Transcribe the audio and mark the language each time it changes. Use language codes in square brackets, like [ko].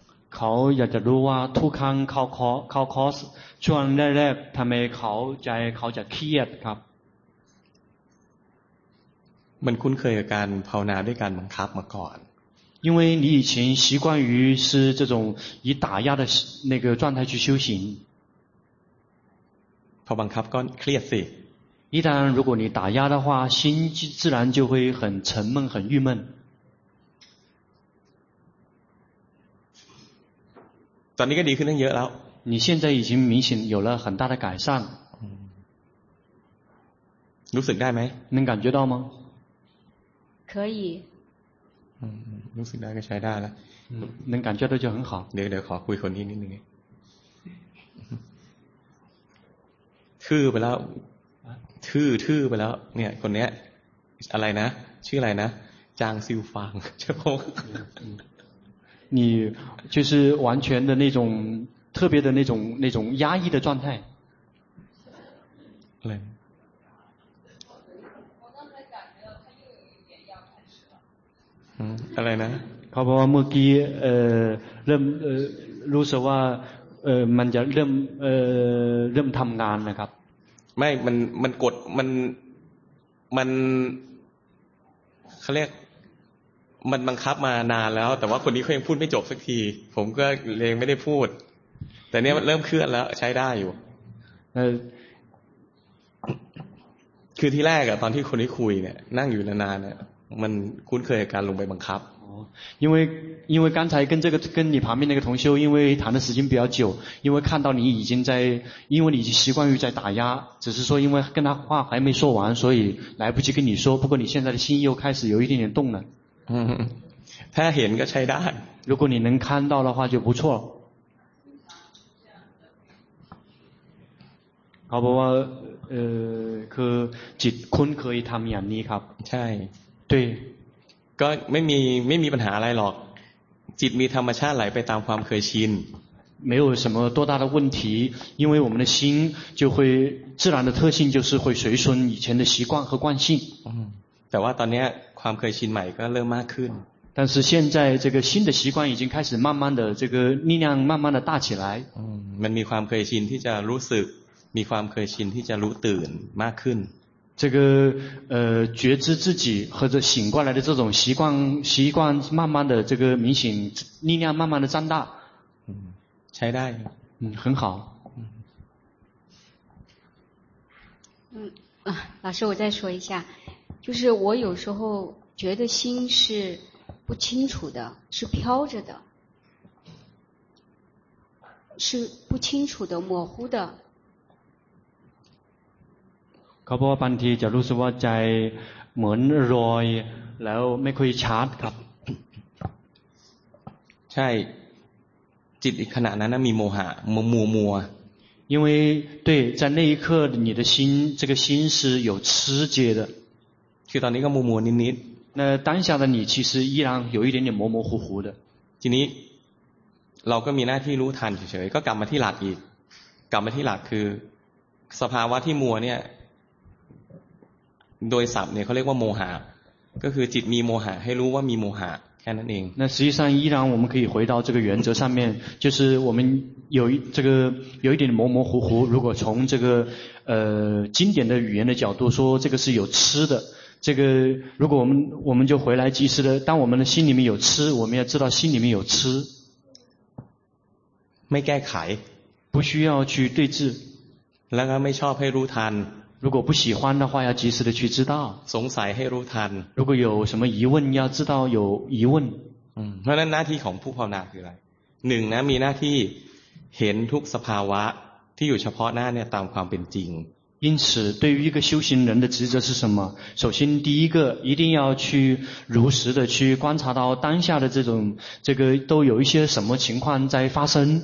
[th] เขาอยากจะรู้ว่าทุกครั้งเขาคอร์สช่วงแรกๆทำไมเขาใจเขาจะเครียดครับ มันคุ้นเคยกับการภาวนาด้วยการบังคับมาก่อน [zh] 因为你以前习惯于是这种以打压的那个状态去修行 [th] พอบังคับก็เครียดสิ [zh] 一旦如果你打压的话心自然就会很沉闷很郁闷 [th] ตอนนี้ก็ดีขึ้นเยอะแล้ว [zh] 你现在已经明显有了很大的改善 [th] รู้สึกได้ไหม [zh] 能感觉到吗可以 [th] รู้สึกได้ก็ใช้ได้แล้ว [zh] 能感觉到就很好 [th] เดี๋ยวขอคุยคนนี้นิดนึงทื่อไปแล้วทื่อไปแล้วเนี่ยคนเนี้ยอะไรนะชื่ออะไรนะจางซิวฟางใช่ปะ [zh] 你就是完全的那种特别的那种压抑的状态 [th] อะไรอะไรนะ เขาบอกว่าเมื่อกี้เริ่มรู้สึกว่ามันจะเริ่มทำงานนะครับ ไม่มันกดมันเขาเรียกมันบังคับมานานแล้วแต่ว่าคนนี้เขายังพูดไม่จบสักทีผมก็เลยไม่ได้พูดแต่เนี้ยมันเริ่มเคลื่อนแล้วใช้ได้อยู่คือที่แรกอะตอนที่คนนี้คุยเนี่ยนั่งอยู่นานๆเนี่ยมันคุ้นเคยกับการลงไปบังคับ [zh] 因为刚才跟你旁边那个同修，因为谈的时间比较久，因为看到你已经在，因为你已经习惯于在打压，只是说因为跟他话还没说完，所以来不及跟你说。不过你现在的心又开始有一点点动了。 [th] 他เห็นก็ใช้ได้。 [zh] 如果你能看到的话就不错。 [th] เขาบอกว่าคือจิตคุ้นเคยทำอย่างนี้ครับ。 ใช่。 [zh] 对。 [th] ก็ไม่มีปัญหาอะไรหรอกจิตมีธรรมชาติไหลไปตามความเคยชิน [zh] 没有什么多大的问题因为我们的心就会自然的特性就是会随顺以前的习惯和惯性 [th] แต่ว่าตอนนี้ความเคยชินใหม่ก็เริ่มมากขึ้น [zh] 但是现在这个新的习惯已经开始慢慢的这个力量慢慢的大起来 [th] มันมีความเคยชินที่จะรู้สึกมีความเคยชินที่จะรู้ตื่นมากขึ้น [zh] 这个觉知自己或者醒过来的这种习惯慢慢的这个明显力量慢慢的增大才带很好老师我再说一下就是我有时候觉得心是不清楚的是飘着的是不清楚的模糊的 [th] เขาบอกว่าบางทีจะรู้สึกว่าใจเหมือนรอยแล้วไม่ค่อยชัดครับ ใช่จิตขณะนั้นมีโมหะมัว [zh] 因为对在那一刻你的心这个心是有痴结的去到那个模模泥泥。那当下的你其实依然有一点点模模糊糊的。 [th] 今天，เราก็มีหน้าที่รู้ทันเฉยๆก็กลับมาที่หลักอีกกลับมาที่หลักคือสภาวะที่มัวเนี่ยโดยศัพท์เนี่ยเขาเรียกว่าโมหะก็คือจิตมีโมหะให้รู้ว่ามีโมหะแค่นั้นเอง [zh] 那实际上依然我们可以回到这个原则上面就是我们有这个有一点模模糊糊如果从这个经典的语言的角度说这个是有痴的这个如果我们就回来及时的当我们的心里面有痴我们要知道心里面有痴 [th] ไม่แก้ไข [zh] 不需要去对治 [th] แล้วก็ไม่ชอบให้รู้ทัน [zh] 如果不喜欢的话要及时的去知道 [th] สงสัยให้รู้ทัน [zh] 如果有什么疑问要知道有疑问 [th] เพราะนั้นหน้าที่ของผู้ภาวนาคืออะไร หนึ่งนะมีหน้าที่เห็นทุกสภาวะที่อยู่เฉพาะหน้าเนี่ยตามความเป็นจริง [zh] 因此对于一个修行人的职责是什么首先第一个一定要去如实的去观察到当下的这种这个都有一些什么情况在发生